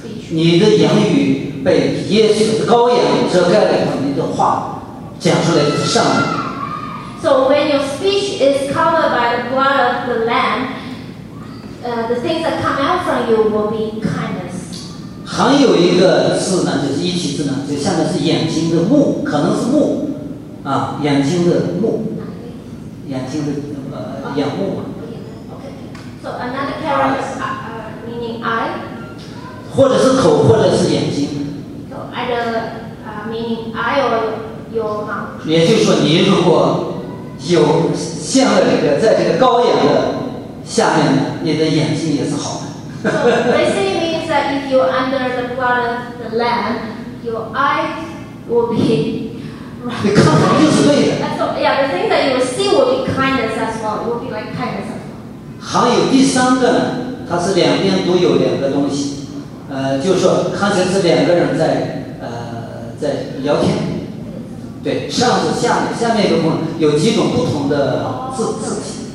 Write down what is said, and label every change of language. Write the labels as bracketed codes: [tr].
[zh] 你的言语被耶稣的羔羊遮盖了以后，你的话讲出来是善良。 [en] So when your speech is covered by the blood of the lamb, the things that come out from you will be kindness. [zh] 还有一个字呢，就是一体字呢，就下面是眼睛的目，可能是目，啊，眼睛的目，眼睛的眼目嘛。 [en] Okay. So another character is meaning eye. [zh] 或者是口，或者是眼睛。 [en] So either meaning eye or your mouth. [zh] 也就是说，你如果有陷在这个，在这个羔羊的下面，你的眼睛也是好的。 [en] So basically means that if you're under the blood of the lamb, your eyes will be. [zh] 你看法就是对的。 [en] So, yeah, the thing that you will see will be kindness as well. Will be like kindness as well. [zh] 还有第三个呢，它是两边都有两个东西，就是说看起来是两个人在在聊天。对，上是下面，下面一个部分有几种不同的字体。